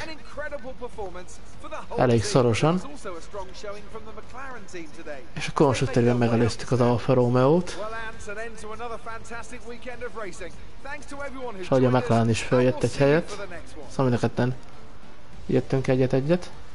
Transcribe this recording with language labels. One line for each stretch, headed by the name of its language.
English: An incredible performance for the whole team.
Hungarian: Elég szorosan.
English: Also a strong showing from the McLaren team today.
Hungarian: És a konstruktőrben megelőztük az Alfa Romeo-t.
English: Well, and then to another fantastic weekend of racing. Thanks to everyone who joined us.
Hungarian: McLaren is följött egy helyet. Szóval mind a ketten jöttünk egyet-egyet.